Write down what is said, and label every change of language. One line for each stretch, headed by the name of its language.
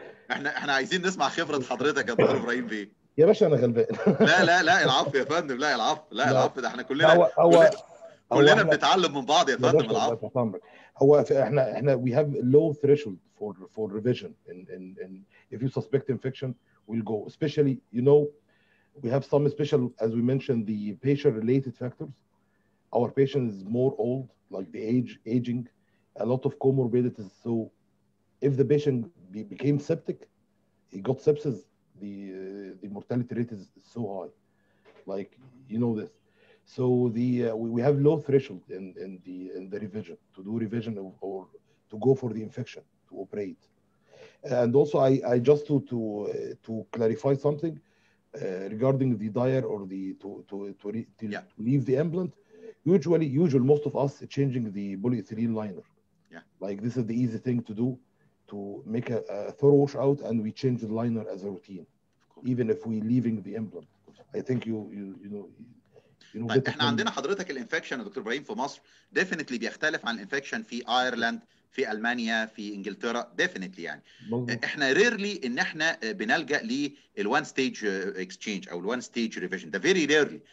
Arabic: احنا عايزين نسمع خبرة حضرتك يا دكتور إبراهيم بيه. يا باشا انا غلبان. لا العفو يا فندم, لا العفو ده احنا كلنا بنتعلم من بعض يا فندم. العفو هو احنا
English: we have a low threshold for revision and if you suspect infection we'll go, especially you know we have some special, as we mentioned, the patient related factors. Our patient is more old, like the aging, a lot of comorbidities, so if the patient became septic, he got sepsis, the mortality rate is so high, like you know this. So the we have low threshold in the revision, to do revision or to go for the infection to operate. And also I just to clarify something regarding the dire or the to leave the implant. Usually most of us changing the polyethylene liner. Yeah, like this is the easy thing to do, to make a thorough washout, and we change the liner as a routine, even if we're leaving the implant. I think you know.
Arabic: But احنا عندنا حضرتك الانفكشن دكتور ابراهيم في مصر
English: definitely
Arabic: بيختلف عن الانفكشن في ايرلند, في المانيا, في انجلترا, definitely يعني. احنا
English: rarely
Arabic: ان احنا بنلجا
English: للوان stage exchange
Arabic: او
English: الوان stage revision,
Arabic: ده
English: very rarely.